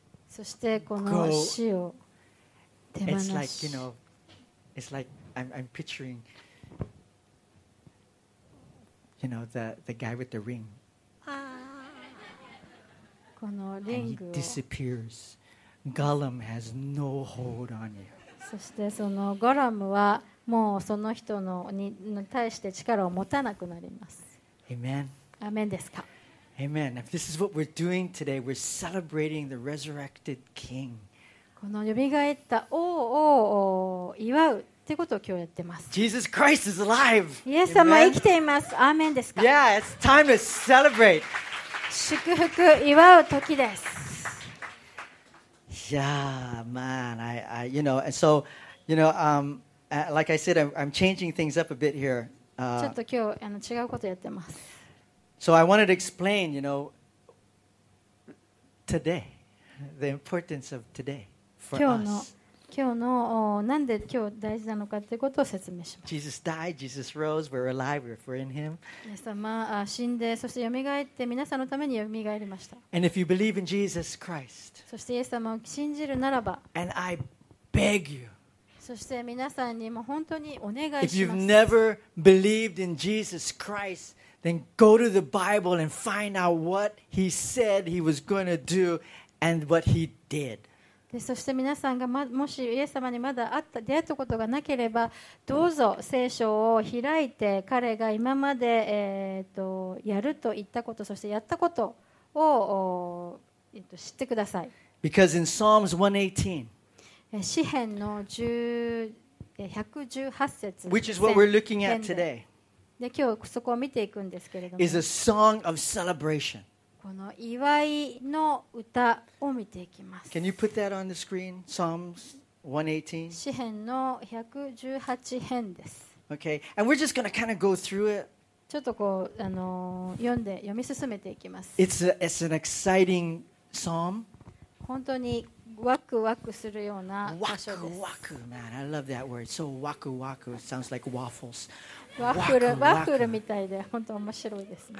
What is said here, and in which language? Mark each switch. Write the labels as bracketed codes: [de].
[ja] そしてこの死を手放し、 [en] It's like, you know, it's like I'm picturing, you know, the guy with the ring. [ja] このリングを、 [en] And he disappears. Gollum has no hold on you. [ja] そしてそのゴラムはもうその人のに対して力を持たなくなります。 [en] Amen. [ja] アメンですか。 [en] Amen. If this is what we're doing today, we're celebrating the resurrected King. [ja] この蘇った王を祝うってことを今日やってます。 [en] Jesus Christ is alive. [ja] イエス様は生きています。アメンですか。 [en] Yeah, it's time to celebrate. [ja] 祝福祝う時です。 [en] Yeah, man. I, you know, and so, you know, like I said, I'm changing things up a bit here. [ja] ちょっと今日違うことやってます。 [en] So I wanted to explain, you know, today, the importance of today for [ja] 今日のなんで今日大事なのかということを説明します。 [en] Jesus died, Jesus rose, we're alive, we're in Him. [ja] イエス様は死んで、そして蘇って皆さんのために蘇りました。 [en] And if you believe in Jesus Christ, [ja] そしてイエス様を信じるならば、 [en] And I beg you. [ja] そして皆さんにも本当にお願いします。 [en] If you've never believed in Jesus Christ, then go to the Bible and find out what He said He was going to do and what He did. [ja] で、そして皆さんが、もしイエス様にまだ出会ったことがなければ、どうぞ聖書を開いて、彼が今までやると言ったこと、そしてやったことを知ってください。 [en] Because in Psalms 118. [ja] 詩編の118節、 [en] Which is what we're looking at today. [ja] で、今日そこを見ていくんですけれども、 [en] is a song of celebration. [ja] この祝いの歌を見ていきます。 [en] Can you put that on the screen? Psalms 118. [ja] 詩編の118編です。 [en] Okay, and we're just going to kind of go through it. [ja] ちょっとこう読んで読み進めていきます。 [en] It's an exciting psalm. [ja] 本当にワクワクするような場所です。 [en] ワクワク、man, I love that word. So ワクワク sounds like waffles. [ja] ワクル、ワクルみたいで本当面白いですね。